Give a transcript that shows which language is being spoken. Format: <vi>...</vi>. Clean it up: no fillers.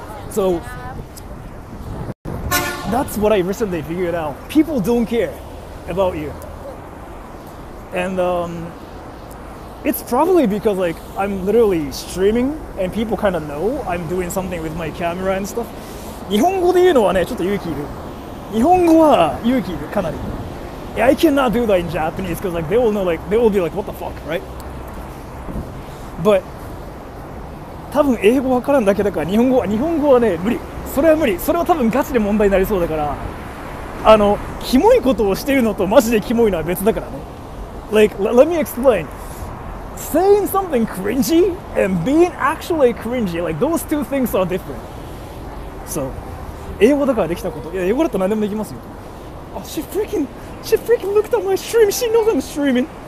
<en>So, that's what I recently figured out. People don't care about you. And it's probably because like, I'm literally streaming and people kind of know I'm doing something with my camera and stuff.</en> <ja>日本語で言うのはね、ちょっと勇気いる。日本語は勇気いる、かなり。</ja> <en>Yeah, I cannot do that in Japanese because like, they will know, like, they will be like, what the fuck, right? But...</en> <ja>多分英語わからんだけだから日本語はね無理、それは無理、それは多分ガチで問題になりそうだから、キモいことをしているのとマジでキモいのは別だからね。</ja> <en>Like, let me explain. Saying something cringy and being actually cringy, like those two things are different.</en> <ja>So, 英語だからできたこと、いや英語だったら何でもできますよ。</ja> <en>She freaking looked at my stream. She knows I'm streaming.</en>